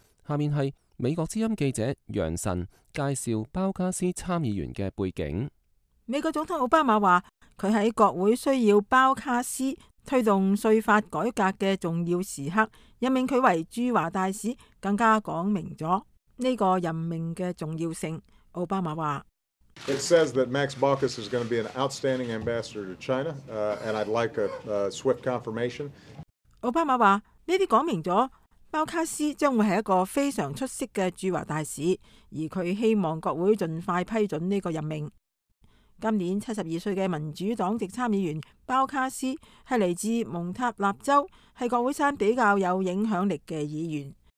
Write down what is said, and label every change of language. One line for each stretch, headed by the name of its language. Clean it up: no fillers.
Chinese: 下面是美国之音记者杨晨介绍鲍卡斯参议员的背景。美国总统奥巴马说，他在国会需要鲍卡斯推动税法改革的重要时刻，任命他为驻华大使更加讲明了这个任命的重要性。奥巴马说，
English: It says that Max Baucus is going to be an outstanding ambassador to China, and I'd like a swift confirmation.
Chinese: 奥巴马说，这些说明了鲍卡斯将会是一个非常出色的驻华大使，而他希望国会尽快批准这个任命。今年72岁的民主党籍参议员包卡斯是来自蒙塔纳州，是国会山比较有影响力的议员。